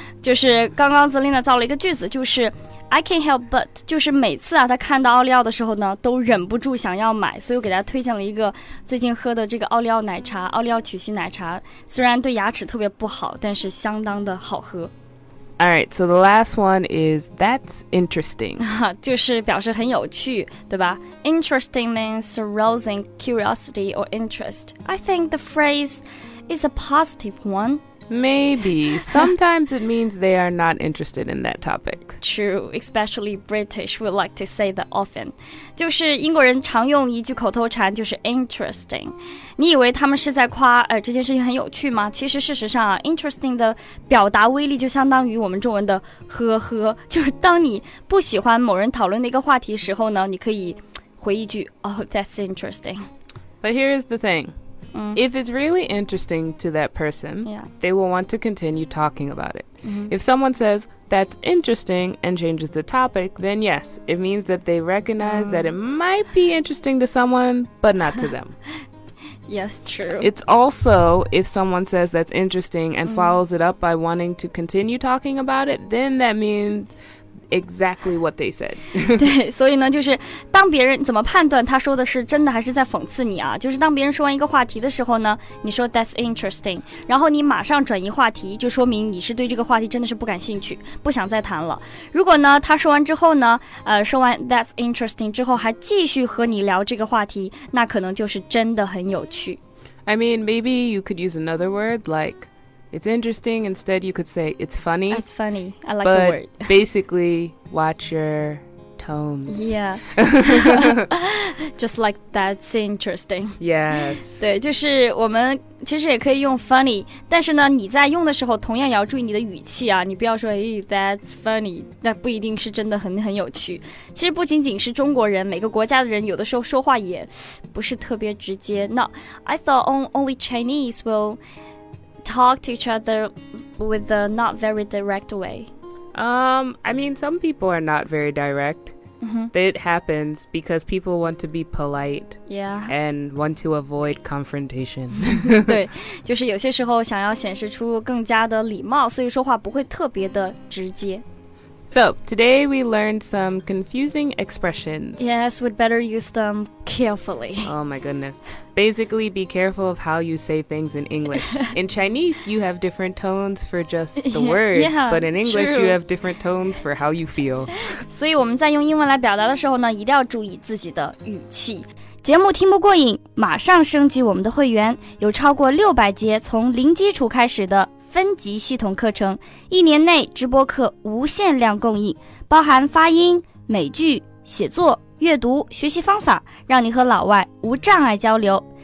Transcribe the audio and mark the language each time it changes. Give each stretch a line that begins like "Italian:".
Chinese: 就是刚刚Zelina造了一个句子，就是
English: I can't help but,
Chinese: 就是每次啊，他看到奥利奥的时候呢，都忍不住想要买，所以我给大家推荐了一个最近喝的这个奥利奥奶茶，奥利奥曲奇奶茶，虽然对牙齿特别不好，但是相当的好喝。
English: All right, so the last one is, that's interesting.
Chinese: 就是表示很有趣，对吧？
English: Interesting means arousing curiosity or interest. I think the phrase is a positive one. Maybe. Sometimes it means they are not interested in that topic. True, especially British would like to say that often.
Chinese: 就是英国人常用一句口头禅，就是 interesting. 你以为他们是在夸这件事情很有趣吗？其实事实上啊， interesting 的表达威力就相当于我们中文的呵呵，就是当你不喜欢某人讨论的一个话题时候呢，你可以回一句
English: Oh, that's interesting. But here is the thing. If it's really interesting to that person, they will want to continue talking about it. Mm-hmm. If someone says, that's interesting, and changes the topic, then yes, it means that they recognize that it might be interesting to someone, but not to them. Yes, true. It's also if someone says that's interesting and follows it up by wanting to continue talking about it, then that means... Exactly what they said.
Chinese: 对，所以呢，就是当别人怎么判断他说的是真的还是在讽刺你啊？就是当别人说完一个话题的时候呢，你说
English: that's interesting，
Chinese: 然后你马上转移话题，就说明你是对这个话题真的是不感兴趣，不想再谈了。如果呢，他说完之后呢，说完
English: that's interesting
Chinese: 之后还继续和你聊这个话题，那可能就是真的很有趣。
English: I mean, maybe you could use another word like. It's interesting. Instead, you could say it's funny. It's funny. I like but the word. Basically, watch your tones. Yeah. Just like that's interesting. Yes.
Chinese: 对，就是我们其实也可以用 funny， 但是呢，你在用的时候同样也要注意你的语气啊。你不要说
English: "Hey, that's funny."
Chinese: 那不一定是真的很有趣。其实不仅仅是中国人，每个国家的人有的时候说话也不是特别直接。
English: 那 I thought only Chinese will. Talk to each other with a not very direct way. I mean, some people are not very direct. It happens because people want to be polite. Yeah. And want to avoid confrontation.
Chinese: 对，就是有些时候想要显示出更加的礼貌，所以说话不会特别的直接。
English: So, today we learned some confusing expressions. Yes, we'd better use them carefully. Oh my goodness. Basically, be careful of how you say things in English. In Chinese, you have different tones for just the words, yeah, but in English, true. You have different tones for how you feel.
Chinese: 所以我们在用英文来表达的时候呢，一定要注意自己的语气。节目听不过瘾，马上升级我们的会员，有超过600节从零基础开始的分级系统课程，一年内直播课无限量供应，包含发音、美剧、写作、阅读、学习方法，让你和老外无障碍交流。